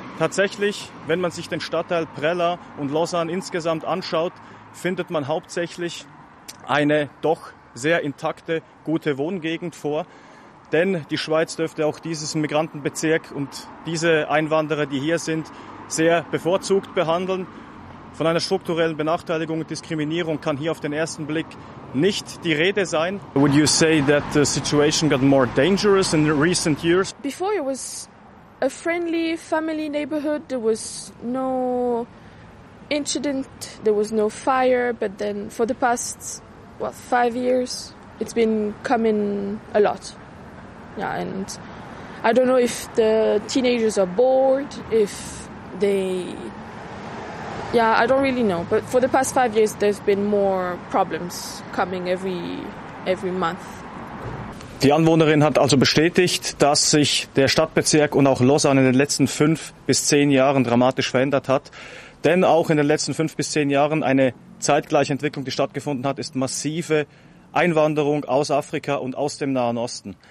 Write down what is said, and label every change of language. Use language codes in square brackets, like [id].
[de] Tatsächlich, wenn man sich den Stadtteil Prela und Lausanne insgesamt anschaut, findet man hauptsächlich eine doch sehr intakte, gute Wohngegend vor. Denn die Schweiz dürfte auch dieses Migrantenbezirk und diese Einwanderer, die hier sind, sehr bevorzugt behandeln. Von einer strukturellen Benachteiligung und Diskriminierung kann hier auf den ersten Blick nicht die Rede sein. [en] Would you say that the situation got more dangerous in recent years? Before it was a friendly family neighborhood. There was no incident, there was no fire. But then for the past, well, 5 years, it's been coming a lot. Yeah, and I don't know if the teenagers are bored, if they... Yeah, I don't really know. But for the past 5 years, there's been more problems coming every month. [de] Die Anwohnerin hat also bestätigt, dass sich der Stadtbezirk und auch Lausanne in den letzten 5 bis 10 Jahren dramatisch verändert hat. Denn auch in den letzten 5 bis 10 Jahren eine zeitgleiche Entwicklung, die stattgefunden hat, ist massive Einwanderung aus Afrika und aus dem Nahen Osten.